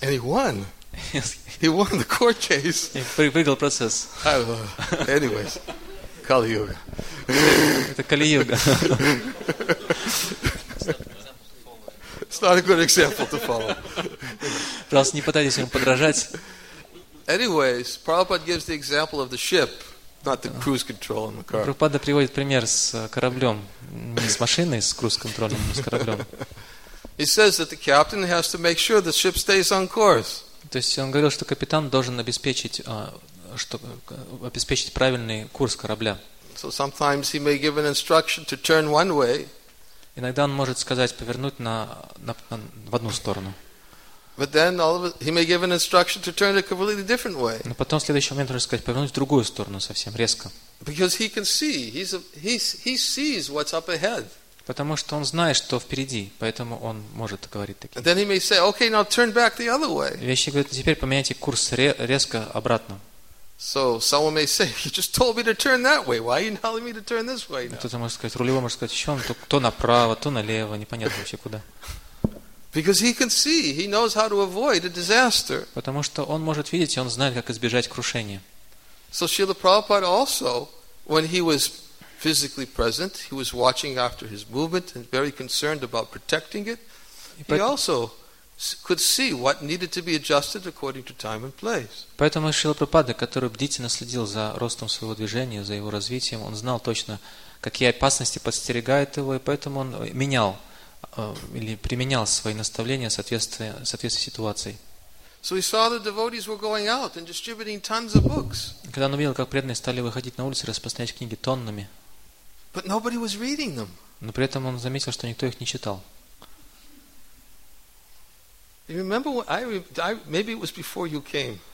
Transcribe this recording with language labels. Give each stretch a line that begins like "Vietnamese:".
English: And he won. He won the court case.
Russian: И выиграл процесс.
English: Anyways, Kali-Yuga.
Russian: Это Kali-Yuga.
English: It's not a good example to follow.
Russian: Пожалуйста, не пытайтесь ему подражать.
English: Anyways, Prabhupada gives the example of the ship, not the cruise control on the car.
Russian: Прабхупада приводит пример с кораблем, не с машиной, с круиз-контролем, с кораблем.
English: He says that the captain has to make sure the ship stays on course.
Russian: То есть он говорил, что капитан должен обеспечить правильный курс корабля.
English: So sometimes he may give an instruction to turn one way.
Russian: Иногда он может сказать повернуть в одну сторону.
English: But then he may give an instruction to turn a completely different way.
Russian: Но потом в следующий момент он может сказать повернуть в другую сторону совсем резко.
English: Because he can see, he sees what's up ahead.
Russian: Потому что он знает, что впереди, поэтому он может говорить такие.
English: And then he may say, okay, now turn back the other way.
Russian: Вещи говорят, теперь поменяйте курс резко обратно.
English: So someone may say, you just told me to turn that way. Why are you telling me to turn this way now?
Russian: Кто-то может сказать, рулевой может сказать, еще он то направо, то налево, непонятно вообще куда.
English: Because he can see, he knows how to avoid a disaster.
Russian: Потому что он может видеть, и он знает, как избежать крушения.
English: So Srila Prabhupada also, when he was physically present, he was watching after his movement and very concerned about protecting it. He also could see what needed to be adjusted according to time and place.
Russian: Поэтому Шрила Прабхупада, который бдительно следил за ростом своего движения, за его развитием, он знал точно, какие опасности подстерегают его, и поэтому он менял или применял свои наставления в соответствии ситуации.
English: So he saw the devotees were going out and distributing tons of books.
Russian: Когда он увидел, как преданные стали выходить на улицы и распространять книги тоннами.
English: But nobody was reading them.
Russian: Но при этом он заметил, что никто их не читал.
English: You remember when maybe it was before you came.